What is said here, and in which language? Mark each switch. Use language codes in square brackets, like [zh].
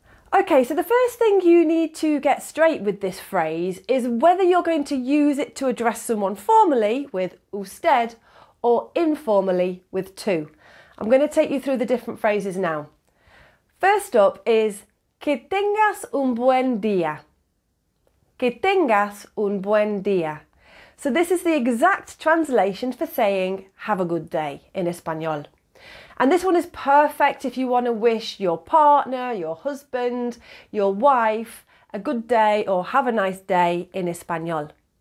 [en] Okay, so the first thing you need to get straight with this phrase is whether you're going to use it to address someone formally with usted or informally with tú. I'm going to take you through the different phrases now. First up is [es] que tengas un buen día. Que tengas un buen día. [en] So this is the exact translation for saying have a good day in Espanol. And this one is perfect if you want to wish your partner, your husband, your wife a good day or have a nice day in Espanol.